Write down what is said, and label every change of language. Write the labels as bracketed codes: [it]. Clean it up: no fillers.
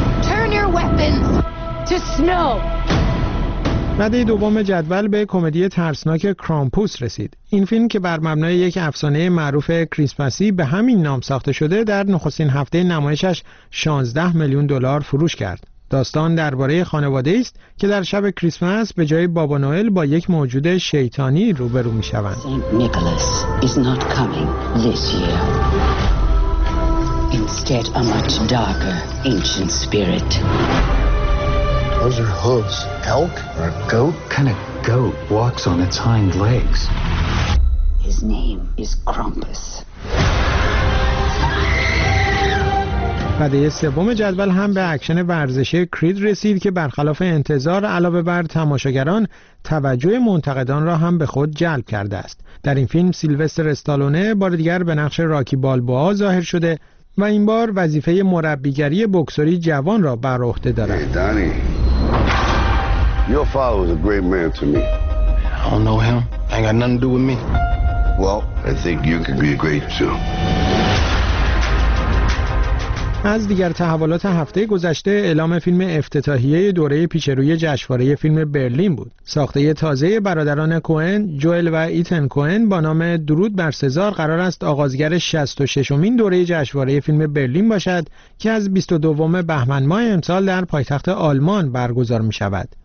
[en] Turn your weapons to snow. [fa] رده دوم جدول به کمدی ترسناک کرامپوس رسید. این فیلم که بر مبنای یک افسانه معروف کریسمسی به همین نام ساخته شده، در نخستین هفته نمایشش 16 میلیون دلار فروش کرد. داستان درباره خانواده است که در شب کریسمس به جای بابا نوئل با یک موجود شیطانی روبرو می شوند. [en] Saint Nicholas is not coming this year. Instead a much darker ancient spirit. Those are hooves. Elk or a goat? Kind of goat walks on its hind legs. His name is Krampus. [fa] رده سوم جدول هم به اکشن ورزشی کرید رسید که برخلاف انتظار علاوه بر تماشاگران، توجه منتقدان را هم به خود جلب کرده است. در این فیلم سیلوستر استالونه بار دیگر به نقش راکی بالبوا ظاهر شده و این بار وظیفه مربیگری بوکسری جوان را بر عهده دارد. [en] Hey, Donnie. Your father was a great man to me. I don't know him. I got nothing to do with me. Well, I think you could be great too. [fa] از دیگر تحولات هفته گذشته، اعلام فیلم افتتاحیه دوره پیش روی جشنواره فیلم برلین بود. ساخته تازه برادران کوئن، جوئل و ایتن کوئن با نام درود بر سزار قرار است آغازگر 66مین دوره جشنواره فیلم برلین باشد که از 22 بهمن ماه امسال در پایتخت آلمان برگزار می شود.